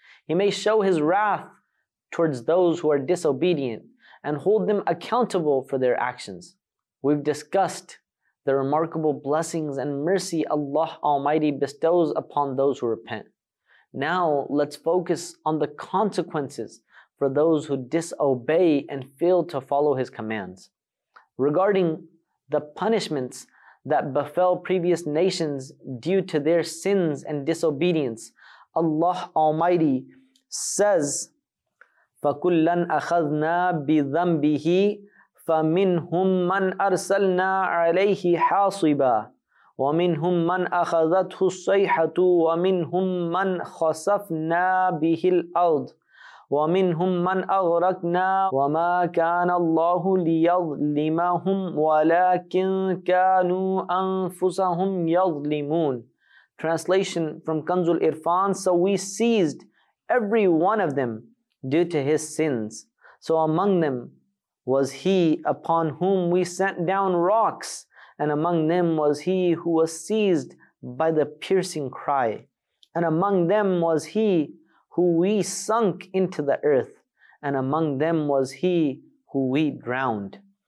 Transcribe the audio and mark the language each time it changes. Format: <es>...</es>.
<en>He may show his wrath towards those who are disobedient and hold them accountable for their actions. We've discussed the remarkable blessings and mercy Allah Almighty bestows upon those who repent. Now, let's focus on the consequences for those who disobey and fail to follow his commands. Regarding the punishments that befell previous nations due to their sins and disobedience, Allah Almighty says,</en> <ar>فَكُلًّا أَخَذْنَا بِذَنْبِهِ فَمِنْهُمْ مَنْ أَرْسَلْنَا عَلَيْهِ حَاصِبًا وَمِنْهُمْ مَنْ أَخَذَتْهُ الصَّيْحَةُ وَمِنْهُمْ مَنْ خَسَفْنَا بِهِ الْأَرْضِ وَمِنْهُمْ مَنْ أَغْرَقْنَا وَمَا كَانَ اللَّهُ لِيَظْلِمَهُمْ وَلَكِنْ كَانُوا أَنفُسَهُمْ يَظْلِمُونَ.</ar> <en>Translation from Kanzul Irfan: so we seized every one of them due to his sins. So among them was he upon whom we sent down rocks, and among them was he who was seized by the piercing cry, and among them was he who we sunk into the earth, and among them was he who we drowned.</en>